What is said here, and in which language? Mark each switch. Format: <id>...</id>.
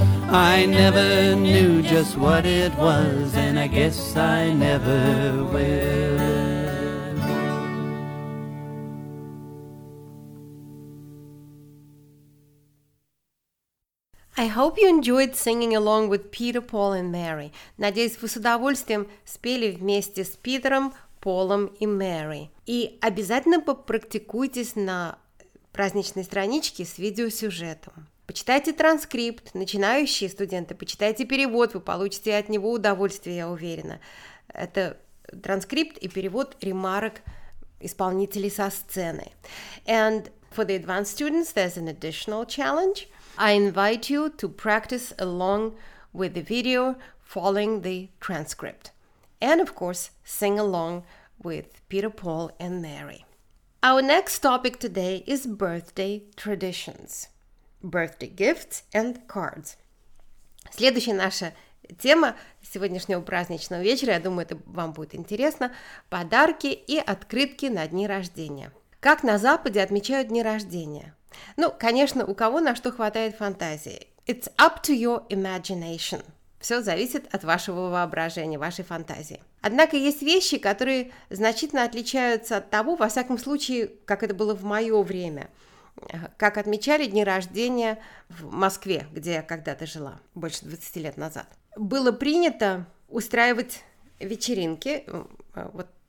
<en>I never knew just what it was, and I guess I never will. I hope you enjoyed singing along with Peter, Paul and Mary.</en> <ru>Надеюсь, вы с удовольствием спели вместе с Питером, Полом и Мэри. И обязательно попрактикуйтесь на праздничной страничке с видеосюжетом. Почитайте транскрипт, начинающие студенты, почитайте перевод, вы получите от него удовольствие, я уверена. Это транскрипт и перевод ремарок исполнителей со сцены.</ru> <en>And for the advanced students, there's an additional challenge. I invite you to practice along with the video following the transcript. And of course, sing along with Peter, Paul and Mary. Our next topic today is birthday traditions. Birthday gifts and cards.</en> <ru>Следующая наша тема сегодняшнего праздничного вечера, я думаю, это вам будет интересно, подарки и открытки на дни рождения. Как на Западе отмечают дни рождения? Ну, конечно, у кого на что хватает фантазии.</ru> <en>It's up to your imagination.</en> <ru>Все зависит от вашего воображения, вашей фантазии. Однако есть вещи, которые значительно отличаются от того, во всяком случае, как это было в мое время, как отмечали дни рождения в Москве, где я когда-то жила, больше 20 лет назад. Было принято устраивать вечеринки, вот</ru>